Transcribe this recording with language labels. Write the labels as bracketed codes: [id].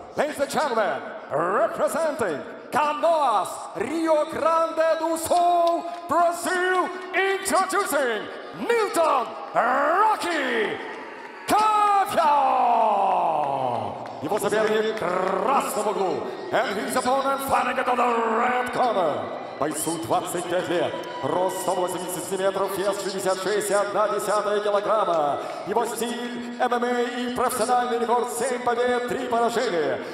[en] Ladies and gentlemen, representing Canoas, Rio Grande do Sul, Brazil, introducing Nilton Rocky Gaviao! [ru] Его соперник в красном углу. [en] And his opponent fighting it on the red corner. [ru] Бойцу 25 лет. Рост 180 сантиметров, вес 66,1 килограмма. Его стиль ММА и профессиональный рекорд 7 побед, 3 поражения.